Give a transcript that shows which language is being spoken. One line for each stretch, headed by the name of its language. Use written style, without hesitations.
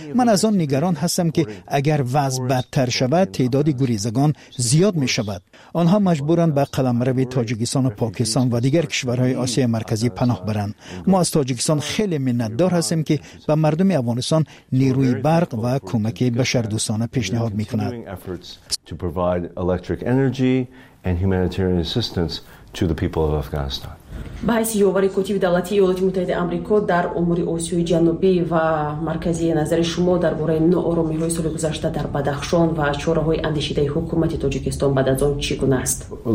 Persian: من از آن نگران هستم که اگر وضع بدتر شود تعداد گریزگان زیاد می شود. آنها مجبورند به قلمرو تاجیکستان و پاکستان و دیگر کشورهای آسیا مرکزی پناه برند. ما از تاجیکستان خیلی منتدار هستیم که به مردم افغانستان نیروی برق و کمک بشردوستانه پیشنهاد می کند.
English: To provide electric energy and humanitarian assistance to the people of Afghanistan.
Persian: به حیث یووری کتیب دولتی ایالات متحده امریکا در امور آسیای جنوبی و مرکزی نظر شما در باره نارامی های سال گذشته در بدخشان و چاره های اندیشیده حکومت تاجیکستان بعد از آن چگونه است؟